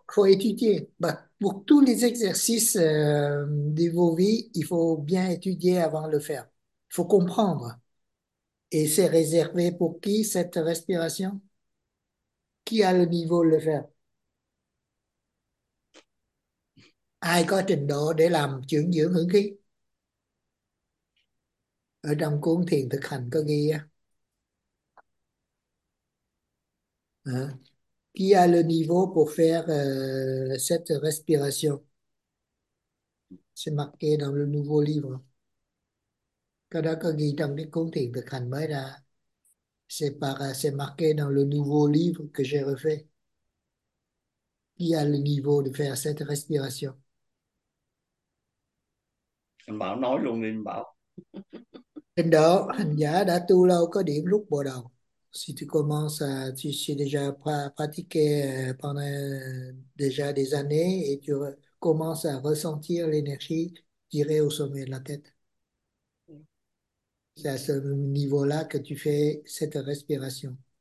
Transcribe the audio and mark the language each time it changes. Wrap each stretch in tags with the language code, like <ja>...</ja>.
<fr>faut étudier. Bah, pour tous les exercices de vos vies, il faut bien étudier avant de le faire. Il faut comprendre. Et c'est réservé pour qui cette respiration? Qui a le niveau de le faire?</fr> <vi>Ai có trình độ để làm chuyển dưỡng hướng khí? Ở trong cuốn thiền thực hành có ghi á. Hả?</vi> <fr>Qui a le niveau pour faire cette respiration? C'est marqué dans le nouveau livre.</fr> <vi>Cái đó có ghi trong cái cuốn thiền thực hành mới ra.</vi> <fr>C'est marqué dans le nouveau livre que j'ai refait. Qui a le niveau de faire cette respiration?</fr> <vi>Anh Bảo nói luôn đi, anh Bảo. Trình độ hành giả đã tu lâu có điểm lúc bắt đầu.</vi> <fr>Si tu commences à, tu sais déjà pratiquer pendant déjà des années et tu commences à ressentir l'énergie tirée au sommet de la tête. C'est à ce niveau-là que tu fais cette respiration.</fr>